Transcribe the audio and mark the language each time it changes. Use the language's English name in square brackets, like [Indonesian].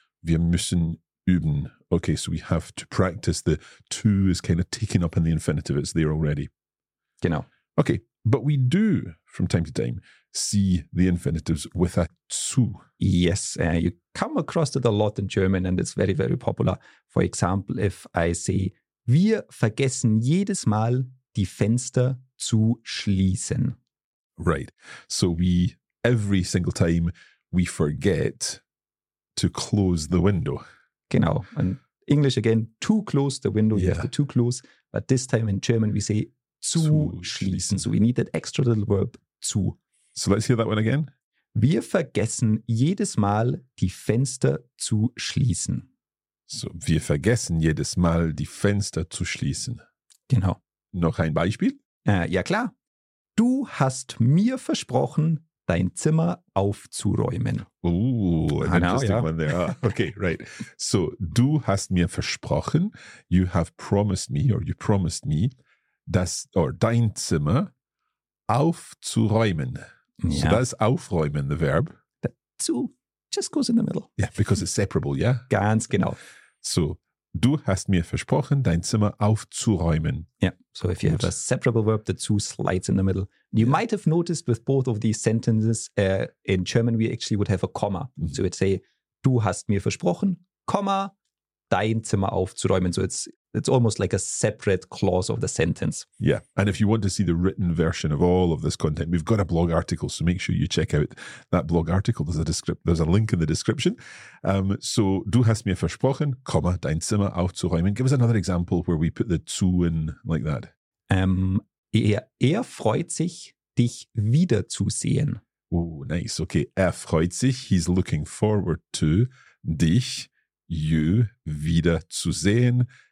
[German] Wir müssen üben. [English] Okay, so we have to practice. The to is kind of taken up in the infinitive. It's there already. [German] Genau. [English] Okay. But we do, from time to time, see the infinitives with a zu. Yes, you come across it a lot in German and it's very, very popular. For example, if I say, [German] wir vergessen jedes Mal die Fenster zu schließen. [English] Right. So we, every single time, we forget to close the window. [German] Genau. [English] And English again, to close the window, you have to close. But this time in German, we say, [German] zu schließen. [English] So we need that extra little verb zu. So let's hear that one again. [German] Wir vergessen jedes Mal die Fenster zu schließen. So wir vergessen jedes Mal die Fenster zu schließen. Genau. Noch ein Beispiel? Ja klar. Du hast mir versprochen, dein Zimmer aufzuräumen. [English] Oh, an interesting one there. Okay, right. So [German] du hast mir versprochen, [English] you have promised me or you promised me, das, or [German] dein Zimmer, aufzuräumen. [English] Yeah. So that's aufräumen, the verb. That zu just goes in the middle. Yeah, because it's separable, yeah? [German] Ganz genau. So, Du hast mir versprochen, dein Zimmer aufzuräumen. [English] Yeah. So if you have a separable verb, the two slides in the middle. You might have noticed with both of these sentences, in German, we actually would have a comma. Mm-hmm. So it'd say, [German] du hast mir versprochen, comma, dein Zimmer aufzuräumen. [English] So it's almost like a separate clause of the sentence. Yeah. And if you want to see the written version of all of this content, we've got a blog article. So make sure you check out that blog article. There's a link in the description. So [German] du hast mir versprochen, comma, dein Zimmer aufzuräumen. [English] Give us another example where we put the zu in like that. [German] Er freut sich, dich wiederzusehen. [English] Oh, nice. Okay. [German] Er freut sich. [English] He's looking forward to dich, you, wiederzusehen.